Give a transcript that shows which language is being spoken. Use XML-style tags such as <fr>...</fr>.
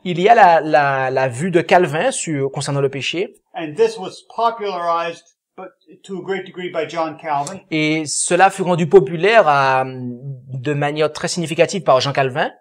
<fr>Il y a la vue de Calvin sur concernant le péché.</fr> <en>And this was popularized to a great degree by John Calvin.</en> <fr>Et cela fut rendu populaire de manière très significative par Jean Calvin.</fr>